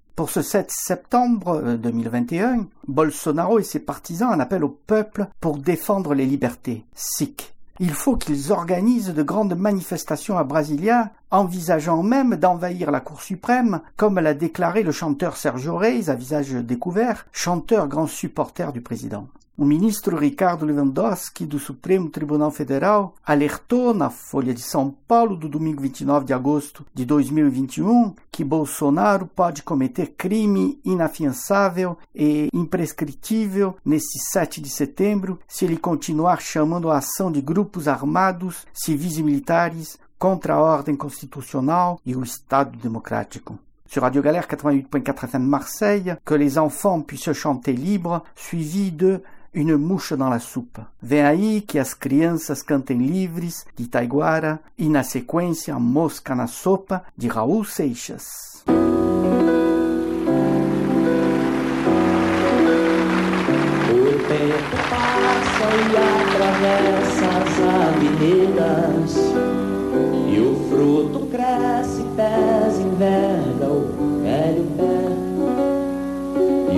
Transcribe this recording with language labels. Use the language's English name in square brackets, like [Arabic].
[French] Pour ce 7 septembre 2021, Bolsonaro et ses partisans en appellent au peuple pour défendre les libertés. Sic. Il faut qu'ils organisent de grandes manifestations à Brasilia, envisageant même d'envahir la Cour suprême, comme l'a déclaré le chanteur Sergio Reis à visage découvert, chanteur grand supporter du président. [Portuguese] O ministro Ricardo Lewandowski do Supremo Tribunal Federal alertou na Folha de São Paulo do domingo 29 de agosto de 2021 que Bolsonaro pode cometer crime inafiançável e imprescritível neste 7 de setembro se ele continuar chamando a ação de grupos armados, civis e militares contra a ordem constitucional e o Estado Democrático. [French] Sur Radio Galère 88.4 FM de Marseille, que les enfants puissent chanter libres, suivis de Une mouche dans la soupe. [Portuguese] Vem aí que as crianças cantem livres, de Taiguara, e na sequência, Mosca na Sopa, de Raul Seixas. O tempo passa e atravessa as avenidas, e o fruto cresce, pés enverga o velho pé.